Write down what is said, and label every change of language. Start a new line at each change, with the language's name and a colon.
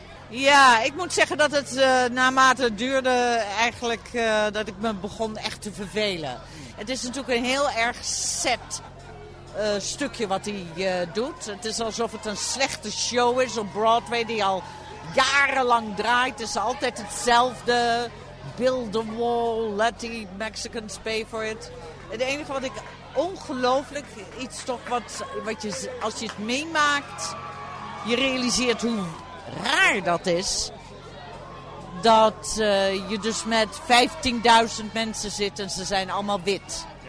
Dutch: Ja, ik moet zeggen dat het naarmate het duurde eigenlijk dat ik me begon echt te vervelen. Het is natuurlijk een heel erg set stukje wat hij doet. Het is alsof het een slechte show is op Broadway die al jarenlang draait. Het is altijd hetzelfde.
English: Build the wall, let the Mexicans pay for it.
Dutch: Het enige wat ik ongelooflijk iets toch wat je, als je het meemaakt, je realiseert hoe raar dat is. Dat je dus met 15.000 mensen zit en ze zijn allemaal wit.